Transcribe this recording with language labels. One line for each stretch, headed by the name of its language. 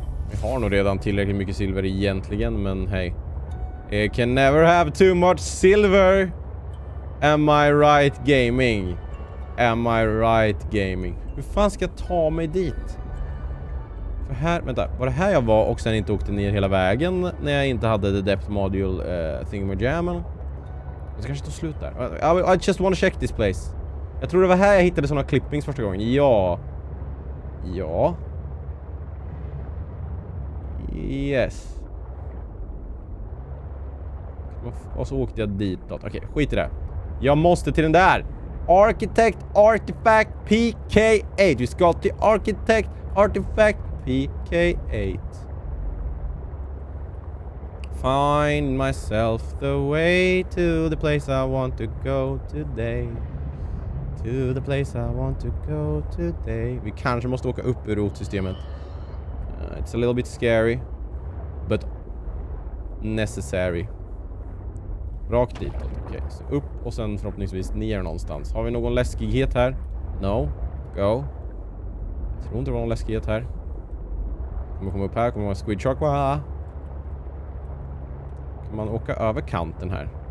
Swedish: Vi har nog redan tillräckligt mycket silver egentligen, men hej.
English: You can never have too much silver. Am I right gaming? Am I right gaming?
Swedish: Hur fan ska jag ta mig dit? För här, vänta, var det här jag var och sen inte åkte ner hela vägen när jag inte hade
English: the depth module thingamajamman?
Swedish: Det kanske tar slut där.
English: I just want to check this place.
Swedish: Jag tror det var här jag hittade såna clippings första gången. Ja. Ja.
English: Yes.
Swedish: Och så åkte jag dit då. Okej, skit i det. Jag måste till den där. Architect Artifact PK8. Vi ska till Architect Artifact PK8.
English: Find myself the way to the place I want to go today. To the place I want to go today.
Swedish: Vi kanske måste åka upp ur rotsystemet.
English: It's a little bit scary. But necessary.
Swedish: Rakt dit. Okej, så upp och sen förhoppningsvis ner någonstans. Har vi någon läskighet här?
English: No. Go.
Swedish: Jag tror inte det var någon läskighet här. Kommer vi komma upp här? Kommer vi ha squid shark? Wah. Kan man åka över kanten här?